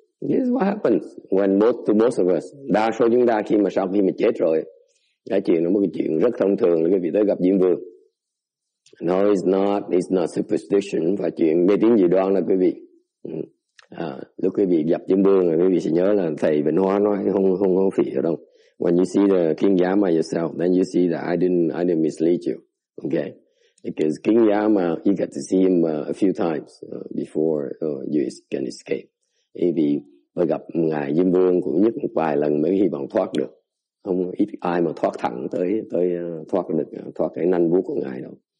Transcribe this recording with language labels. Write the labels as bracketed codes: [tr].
[en] This is what happens when both of us. [vi] Đa số chúng ta khi mà sau khi mà chết rồi, cái chuyện nó một cái chuyện rất thông thường là cái việc tới gặp Diêm Vương. [en] No, it's not superstition, [vi] và chuyện mê tín dị đoan là quý vị. Lúc quý vị gặp Diêm Vương rồi, quý vị sẽ nhớ là thầy Vĩnh Hóa nói không phỉ đâu. [en] When you see the King Yama yourself, then you see that I didn't mislead you. Okay. Because King Yama, you got to see him a few times before you can escape. [vi] Maybe mới gặp ngài Diêm Vương cũng nhất một vài lần mới hy vọng thoát được. Không ít ai mà thoát thẳng tới thoát được thoát cái nanh vuốt của ngài đâu.